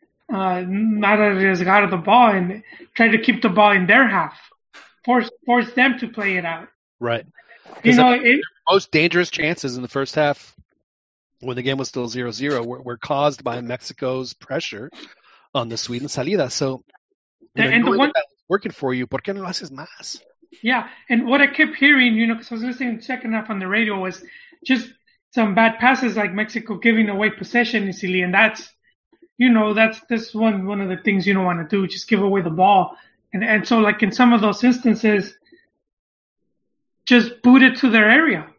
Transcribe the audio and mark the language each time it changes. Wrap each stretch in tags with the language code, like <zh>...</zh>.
<en>Not arriesgar the ball and try to keep the ball in their half, force them to play it out. Right. You know, most dangerous chances in the first half, when the game was still 0-0, were caused by Mexico's pressure on the Sweden salida. So, and the one that's working for you,</en> <es>¿por qué no lo haces más?</es> <en>Yeah, and what I kept hearing, you know, because I was listening to the second half on the radio, was just some bad passes, like Mexico giving away possession easily, and that's, you know, that's one of the things you don't want to do, just give away the ball. And so, like, in some of those instances, just boot it to their area.</en>